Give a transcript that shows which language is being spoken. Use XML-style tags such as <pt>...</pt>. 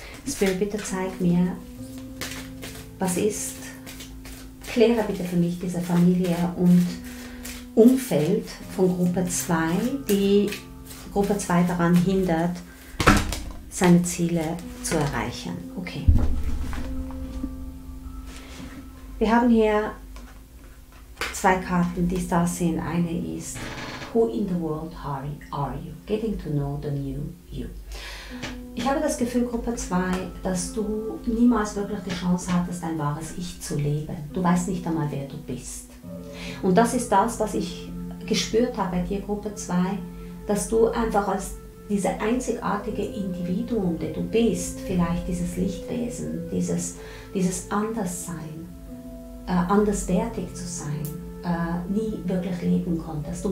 <de>Spirit, bitte zeig mir, was ist, kläre bitte für mich diese Familie und Umfeld von Gruppe 2, die Gruppe 2 daran hindert, seine Ziele zu erreichen. Okay. Wir haben hier zwei Karten, die da sind. Eine ist,</de> <en>who in the world are you? Getting to know the new you.</en> <de>Ich habe das Gefühl, Gruppe 2, dass du niemals wirklich die Chance hattest, dein wahres Ich zu leben. Du weißt nicht einmal, wer du bist. Und das ist das, was ich gespürt habe bei dir, Gruppe 2, dass du einfach als diese einzigartige Individuum, der du bist, vielleicht dieses Lichtwesen, dieses Anderssein, anderswertig zu sein, nie wirklich leben konntest.</de>